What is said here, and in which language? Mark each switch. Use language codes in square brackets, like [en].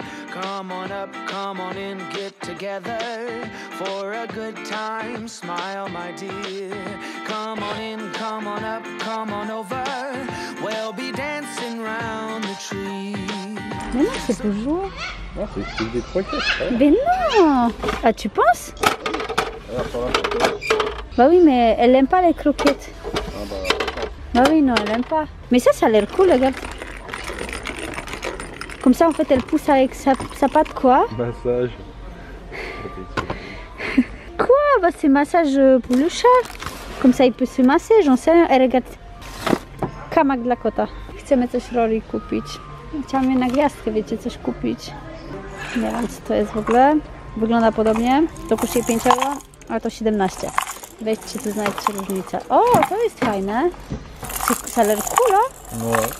[en] Come on up, come on in, get together for a good time, smile my dear. Come on in, come on up, come on over. We'll be dancing round the tree. [fr] Non, c'est toujours. Non, c'est des trois caisses. Ben non. Ah, tu penses? Alors, ça va pour toi. Bah oui, mais elle aime pas les croquettes. Ah bah. Bah oui, non, elle aime pas. Mais ça a l'air cool, regarde. Comme ça, en fait, elle pousse avec sa patte, quoi. Massage. Quoi? Bah, c'est massage pour le chat. Comme ça, il peut se masser, j'en sais rien. Et regarde. [pl] Kamak de la kota. Chcemy coś Rory kupić. Chciałam je na gwiazdkę, wiecie, coś kupić. Nie wiem, co to jest w ogóle. Wygląda podobnie. To kosztuje 5 euro, a to 17. Weźcie, tu znajdziecie różnicę. O, to jest fajne. Saler kula. No.